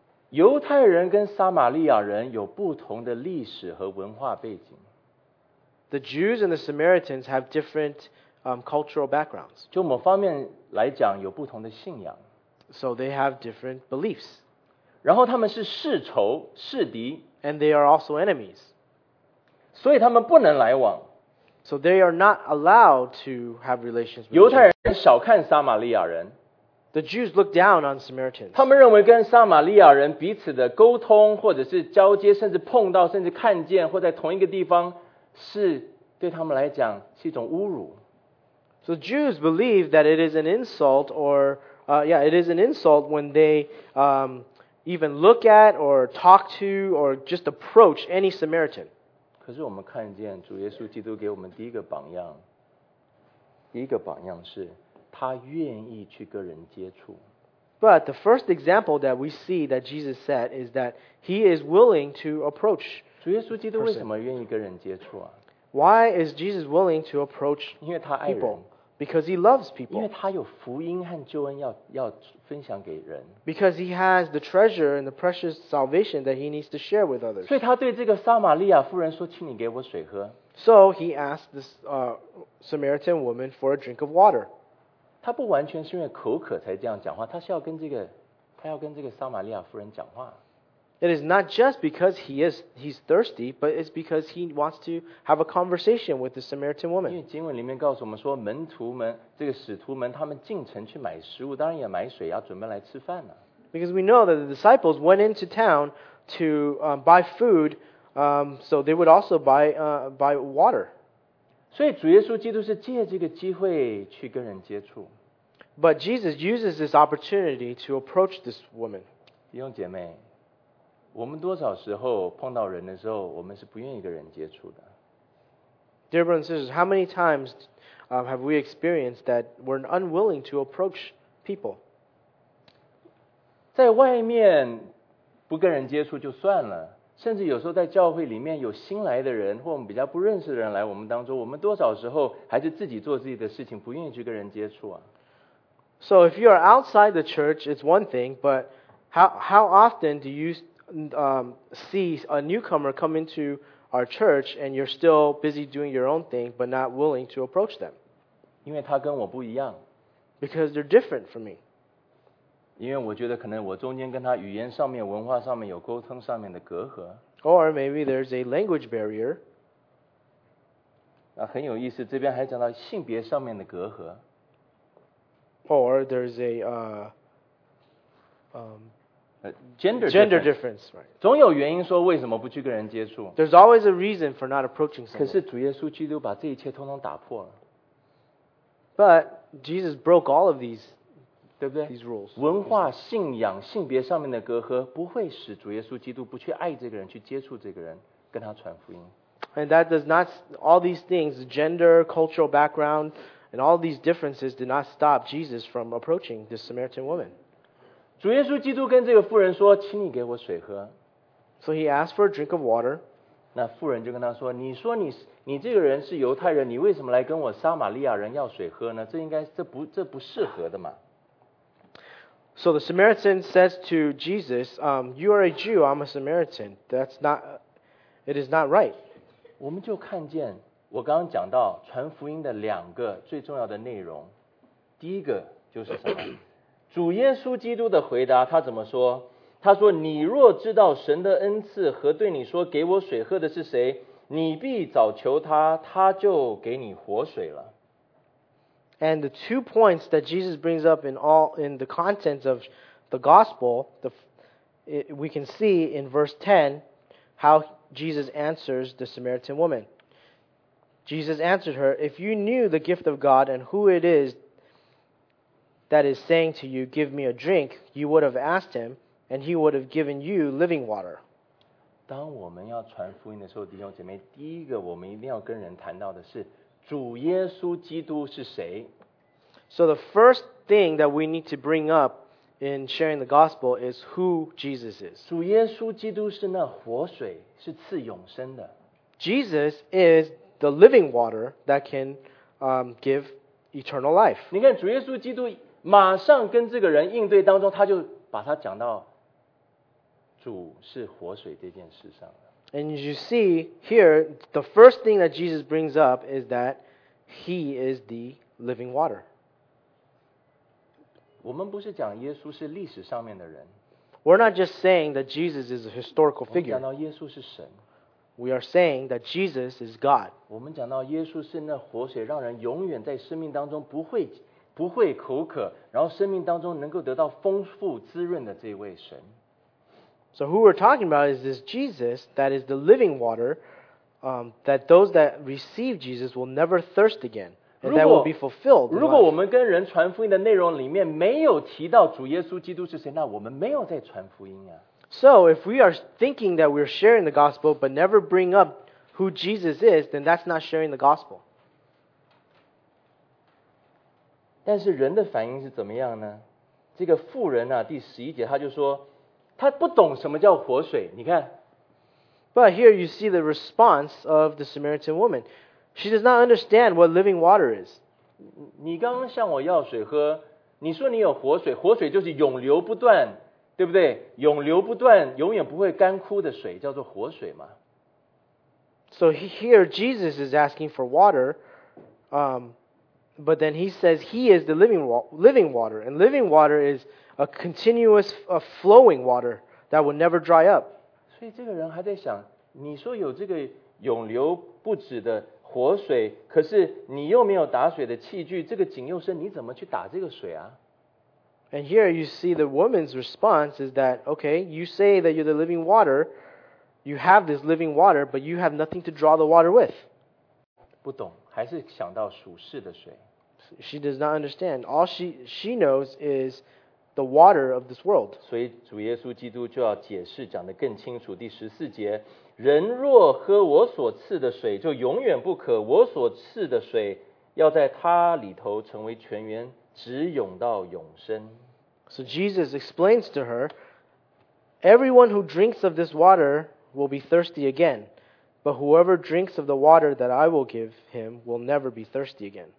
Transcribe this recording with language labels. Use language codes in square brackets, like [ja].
[zh] 犹太人跟撒玛利亚人有不同的历史和文化背景。 [en] The Jews and the Samaritans have different cultural backgrounds. [zh] 就某方面来讲，有不同的信仰。 [en] So they have different beliefs. [zh] 然后他们是世仇世敌 [en] and they are also enemies. [zh] 所以他们不能来往 [en] So they are not allowed to have relations with Jews. [zh] 犹太人小看撒玛利亚人。 [en] The Jews look down on Samaritans. [zh] 他们认为跟撒玛利亚人彼此的沟通，或者是交接，甚至碰到，甚至看见，或在同一个地方，是对他们来讲是一种侮辱。 [en] So Jews believe that it is an insult, or it is an insult when they even look at or talk to or just approach any Samaritan. [zh] 可是我们看见主耶稣基督给我们第一个榜样，第一个榜样是他愿意去跟人接触。 [en] But the first example that we see that Jesus set is that he is willing to approach. [zh] 主耶稣基督为什么愿意跟人接触啊？ [en] Why is Jesus willing to approach people? Because he loves people. [zh] 因为他有福音和救恩 要分享给人。 [en] Because he has the treasure and the precious salvation that he needs to share with others. [zh] 所以他对这个撒玛利亚妇人说，请你给我水喝。 [en] So he asked this Samaritan woman for a drink of water. [zh] 他不完全是因为口渴才这样讲话，他是要跟这个，他要跟这个撒玛利亚妇人讲话。 [en] It is not just because he's thirsty, but it's because he wants to have a conversation with the Samaritan woman. [zh] 因为经文里面告诉我们说，门徒们，这个使徒们，他们进城去买食物，当然也买水，要准备来吃饭了。 [en] Because we know that the disciples went into town to buy food, so they would also buy water. [zh] 所以主耶稣基督是借这个机会去跟人接触。 [en] But Jesus uses this opportunity to approach this woman. [zh] 弟兄姐妹，我们多少时候碰到人的时候，我们是不愿意跟人接触的。 [en] Dear brothers and sisters, how many times have we experienced that we're unwilling to approach people? [zh] 在外面不跟人接触就算了，甚至有时候在教会里面有新来的人或我们比较不认识的人来我们当中，我们多少时候还是自己做自己的事情，不愿意去跟人接触啊。 [en] So if you are outside the church, it's one thing, but how often do you see a newcomer come into our church and you're still busy doing your own thing but not willing to approach them? [zh] 因为他跟我不一样。 [en] Because they're different from me. [zh] 因为我觉得可能我中间跟他语言上面、文化上面有沟通上面的隔阂。 [en] Or maybe there's a language barrier. [zh] 那很有意思，这边还讲到性别上面的隔阂。 [en] Or there's a Gender difference, right? [zh] 总有原因说为什么不去跟人接触。 [en] There's always a reason for not approaching someone. [zh] 可是主耶稣基督把这一切通通打破了。 [en] But Jesus broke all of these, [zh] 对不对？ [en] These rules. [zh] 文化、信仰、性别上面的隔阂不会使主耶稣基督不去爱这个人，去接触这个人，跟他传福音。 [en] And that does not, all these things, gender, cultural background, and all these differences did not stop Jesus from approaching this Samaritan woman. [zh] 主耶稣基督跟这个妇人说，请你给我水喝。 [en] So he asked for a drink of water. [zh] 那妇人就跟他说，你说你这个人是犹太人，你为什么来跟我撒玛利亚人要水喝呢？这不适合的嘛。 [en] So the Samaritan says to Jesus, you are a Jew, I'm a Samaritan. That's not, it is not right. [zh] 我们就看见，我刚刚讲到传福音的两个最重要的内容。第一个就是什么？主耶稣基督的回答，他怎么说？他说：“你若知道神的恩赐和对你说给我水喝的是谁，你必早求他，他就给你活水了。” [en] And the two points that Jesus brings up in the contents of the gospel, we can see in verse 10 how Jesus answers the Samaritan woman. Jesus answered her, "If you knew the gift of God and who it is that is saying to you, give me a drink, you would have asked him, and he would have given you living water." [zh] 当我们要传福音的时候，弟兄姐妹，第一个我们一定要跟人谈到的是主耶稣基督是谁。 [en] So the first thing that we need to bring up in sharing the gospel is who Jesus is. [zh] 主耶稣基督是那活水，是赐永生的。 [en] Jesus is the living water that can give eternal life. [zh] 你看主耶稣基督马上跟这个人应对当中，他就把他讲到主是活水这件事上了。 [en] And you see here, the first thing that Jesus brings up is that he is the living water. [zh] 我们不是讲耶稣是历史上面的人。 [en] We're not just saying that Jesus is a historical figure. [zh] 我们讲到耶稣是神。 [en] We are saying that Jesus is God. [zh] 我们讲到耶稣是那活水，让人永远在生命当中不会口渴，然后生命当中能够得到丰富滋润的这位神。 [en] So who we're talking about is this Jesus that is the living water, that those that receive Jesus will never thirst again. And that will be fulfilled. [zh] 如果我们跟人传福音的内容里面没有提到主耶稣基督是谁，那我们没有在传福音啊。 [en] So if we are thinking that we're sharing the gospel but never bring up who Jesus is, then that's not sharing the gospel. [zh] 但是人的反应是怎么样呢？这个妇人啊，第十一节他就说，他不懂什么叫活水。你看。 [en] But here you see the response of the Samaritan woman. She does not understand what living water is. [zh] 你刚刚向我要水喝，你说你有活水，活水就是永流不断。对不对？永流不断，永远不会干枯的水，叫做活水嘛。 [en] So here Jesus is asking for water, but then he says he is the living water, and living water is a continuous, a flowing water that will never dry up. [zh] 所以这个人还在想，你说有这个永流不止的活水，可是你又没有打水的器具，这个井又深，你怎么去打这个水啊？ [en] And here you see the woman's response is that, okay, you say that you're the living water, you have this living water, but you have nothing to draw the water with. [zh] 不懂，还是想到属世的水。 [en] She does not understand. All she knows is the water of this world. [zh] 所以主耶稣基督就要解释，讲得更清楚。第十四节，人若喝我所赐的水，就永远不渴。我所赐的水要在他里头成为泉源。直涌到永生。 [en] So Jesus explains to her, everyone who drinks of this water will be thirsty again, but whoever drinks of the water that I will give him will never be thirsty again.